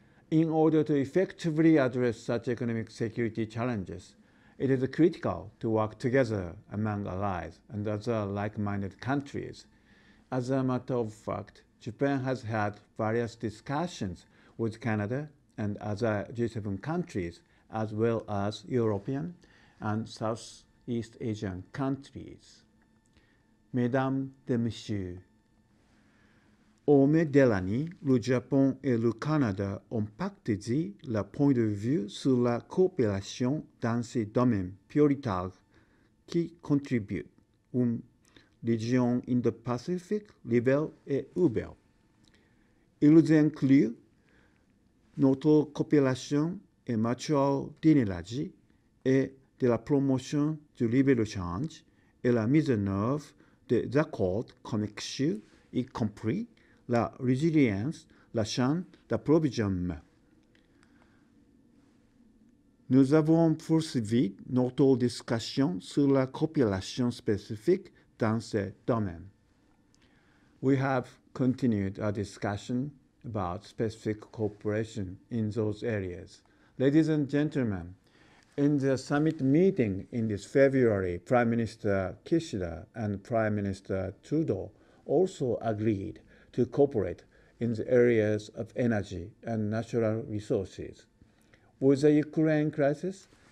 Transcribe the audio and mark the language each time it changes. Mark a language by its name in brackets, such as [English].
[English] In order to effectively address such economic security challenges, it is critical to work together among allies and other like-minded countries. As a matter of fact, Japan has had various discussions with Canada and other G7 countries, as well as European and Southeast Asian countries. [French] Mesdames et Messieurs, Ome de l'année, le Japon et le Canada ont partagé le point de vue sur la coopération dans ces domaines prioritaires qui contribuent à une région Indo-Pacifique libre et ouverte. Ils incluent notre coopération et mutuelle d'énergie et de la promotion du libre-échange et la mise en œuvre des accords commerciaux, y compris la résilience, la chaîne d'approvisionnement. Nous avons poursuivi notre discussion sur la coopération spécifique dans ce domaine. [English] We have continued our discussion about specific cooperation in those areas. Ladies and gentlemen, in the summit meeting in this February, Prime Minister Kishida and Prime Minister Trudeau also agreed to cooperate in the areas of energy and natural resources. With the Ukraine crisis,